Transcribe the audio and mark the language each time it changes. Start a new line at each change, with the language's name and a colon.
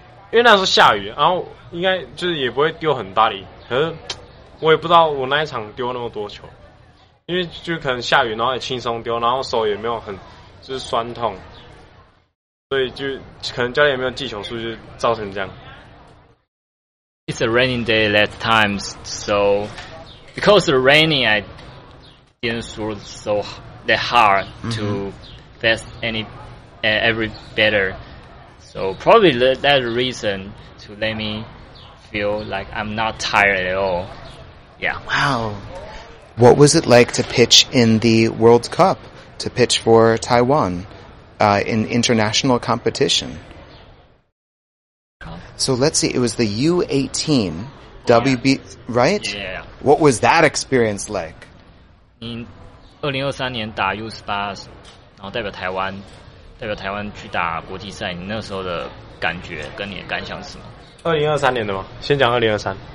Chinese: 因为那时候下雨,然后应该就是也不会丢很大力,可是 我也不知道我那一场丢那么多球，因为就可能下雨，然后也轻松丢，然后手也没有很就是酸痛，所以就可能教练也没有技巧，所以就造成这样。
English: It's a raining day last time, so because the raining, I didn't throw so that hard to face every batter. So probably that reason to let me feel like I'm not tired at all. Yeah. Wow. What was it like to pitch in the World Cup, to pitch for Taiwan in international competition? So let's see, it was the U18 WB, right? Yeah. What was that experience like?
Chinese: In 2023年打U18，然后代表台湾去打国际赛，你那时候的感觉跟你的感想是什么？2023年的吗？先讲2023。